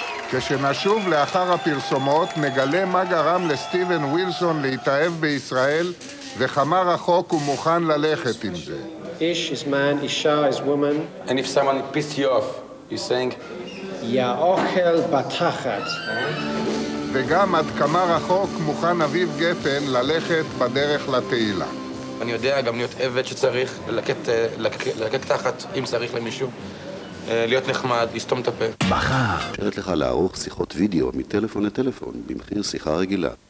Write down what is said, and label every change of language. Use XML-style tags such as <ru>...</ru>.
<he>כשנשוב לאחר הפרסומות, נגלה מה גרם לסטיבן ווילסון להתאהב בישראל וכמה רחוק הוא מוכן ללכת עם זה.</he> <en>איש is man, אישה is woman. And if someone pissed you off, you're saying...</en> <he>יא אוכל בתחת. וגם עד כמה רחוק מוכן אביב גפן ללכת בדרך לתהילה. אני יודע גם להיות עבד שצריך ללקט תחת אם צריך למישהו. להיות נחמד, לסתום את הפה. מחר. אפשרת לך לערוך שיחות וידאו מטלפון לטלפון במחיר שיחה רגילה.</he>